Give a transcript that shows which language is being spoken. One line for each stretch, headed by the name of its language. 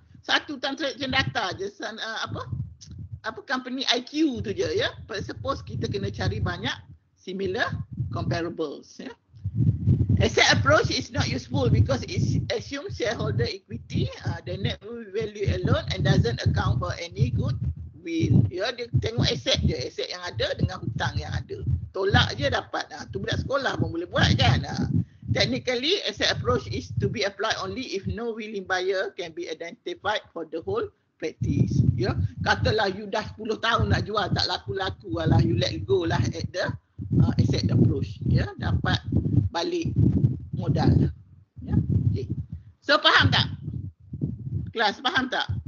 Malay: Satu transaction data je, apa company IQ tu je, ya? Yeah? Suppose kita kena cari banyak
English: similar comparables.
Malay: Yeah.
English: Asset approach is not useful because it assumes shareholder equity, the net value alone, and doesn't account for any good bil.
Malay: Ya, dia tengok aset je, aset yang ada dengan hutang yang ada. Tolak je dapat. Ha, tu budak sekolah pun boleh buat kan. Ha.
English: Technically, asset approach is to be applied only if no willing buyer can be identified for the whole practice.
Malay: Ya, katalah you dah 10 tahun nak jual, tak laku-laku lah,
English: you let go
Malay: lah at the asset approach. Ya, dapat balik modal. Ya, okay. So, faham tak? Kelas, faham tak?